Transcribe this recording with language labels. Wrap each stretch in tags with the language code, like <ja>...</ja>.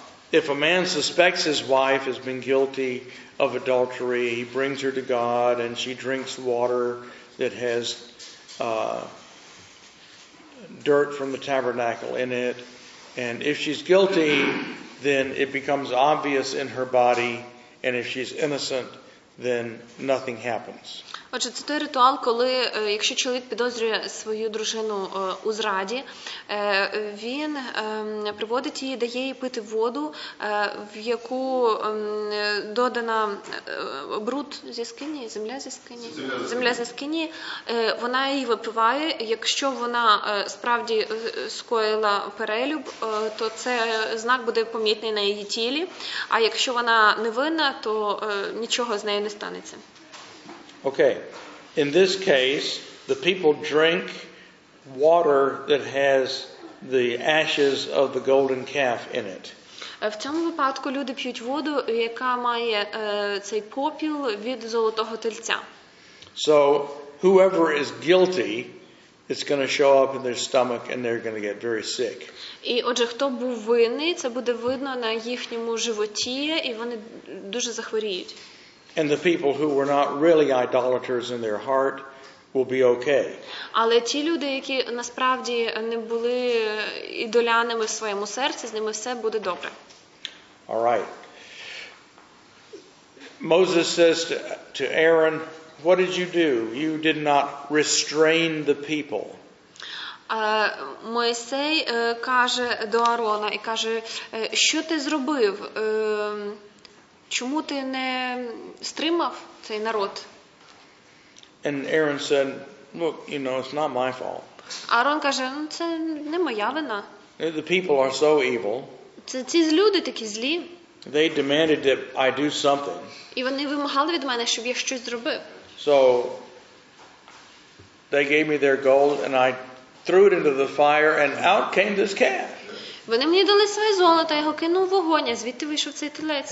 <en>If a man suspects his wife has been guilty of adultery, he brings her to God and she drinks water that has dirt from the tabernacle in it, and if she's guilty, then it becomes obvious in her body, and if she's innocent, then nothing happens.</en> <uk>Отже, це той ритуал, коли якщо чоловік підозрює свою дружину у зраді, він приводить її, дає їй пити воду, в яку додана бруд зі скині, земля зі скині. Вона її випиває. Якщо вона справді скоїла перелюб, то це знак буде помітний на її тілі. А якщо вона невинна, то нічого з нею не станеться.</uk> <en>Okay, in this case, the people drink water that has the ashes of the golden calf in it.</en> <uk>В цьому випадку люди п'ють воду, яка має цей попіл від золотого тельця.</uk> <en>So, whoever is guilty, it's going to show up in their stomach and they're going to get very sick.</en> <uk>І отже, хто був винний, це буде видно на їхньому животі, і вони дуже захворіють.</uk> <en>And the people who were not really idolaters in their heart will be okay.</en> <uk>Але ті люди, які насправді не були ідолянами в своєму серці, з ними все буде добре.</uk> <en>All right. Moses says to Aaron, "What did you do? You did not restrain the people."</en> <uk>Мойсей каже до Аарона і каже, "Що ти зробив? Чому ти не стримав цей народ?"</uk> <en>And Aaron said, "Look, you know, it's not my fault."</en> <uk>Аарон каже, "Ну, це не моя вина."</uk> <en>The people are so evil.</en> <uk>Це ці люди такі злі.</uk> <en>They demanded that I do something.</en> <uk>І вони вимагали від мене, щоб я щось зробив.</uk> <en>So they gave me their gold and I threw it into the fire and out came this calf.</en> <uk>Вони мені дали своє золото, я його кинув в вогонь, а звідти вийшов цей телець.</uk>